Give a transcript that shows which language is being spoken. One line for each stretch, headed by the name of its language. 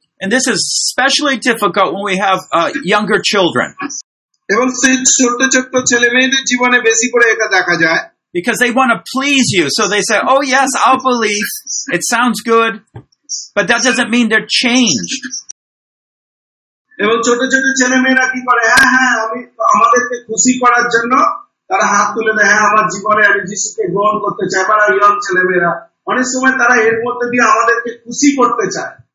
English: And this is especially difficult when we have younger children.
Bangla: এবং ছোট ছোট ছেলেমেয়েদের জীবনে বেশি করে এটা দেখা যায়।
English: Because they want to please you, so they say, "Oh yes, I'll believe. It sounds good." But that doesn't mean they're changed.
Bangla: এবং ছোট ছোট ছেলেমেয়েরা কি করে, হ্যাঁ হ্যাঁ আমি আমাদেরকে খুশি করার জন্য তারা হাত তুলে দেয়, হ্যাঁ আমার জীবনে আমি যিশুকে গ্রহণ করতে চাই, বা ইয়ং ছেলেমেয়েরা অনেক সময় তারা এর মধ্যে দিয়ে আমাদেরকে খুশি করতে চায়।